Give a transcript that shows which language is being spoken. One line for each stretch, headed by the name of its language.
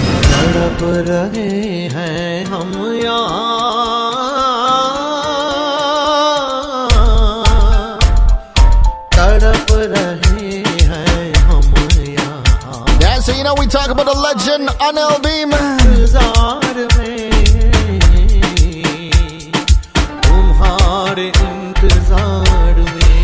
Hindi: तड़प रहे हैं हम यहाँ, तड़प रहे हैं हम यहाँ.
English: Yeah, so you know we talk about the legend Anil Beam.
Hindi: इंतजार में तुम्हारे इंतजार में